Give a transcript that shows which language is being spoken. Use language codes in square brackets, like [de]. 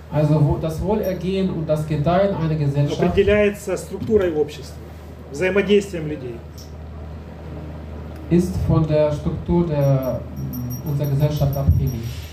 [de] also, das Wohlergehen und das Gedeihen einer Gesellschaft, [ru] определяется структурой общества, взаимодействием людей. [de] Ist von der Struktur der unserer Gesellschaft abhängig.